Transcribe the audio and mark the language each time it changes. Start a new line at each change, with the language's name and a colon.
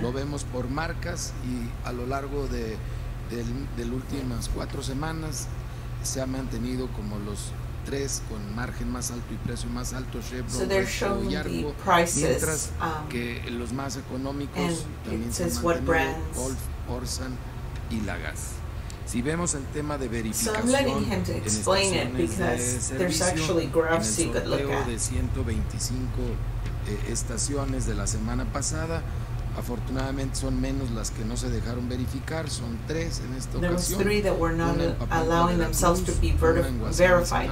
Spanish: Lo vemos por marcas y a lo largo de las últimas cuatro semanas se ha mantenido como los tres con margen más alto y precio más alto, Chevron, Regio y Argo, mientras que los más económicos también se mantienen Golf, Orsan y Lagaz. Si vemos el tema de verificación,
English: so I'm letting him to explain it because there's actually graphs you could look at.
Spanish: En el sorteo de 125 estaciones de la semana pasada, afortunadamente son menos las que no se dejaron verificar, son tres en esta ocasión.
English: There were three that were not allowing themselves to be verified.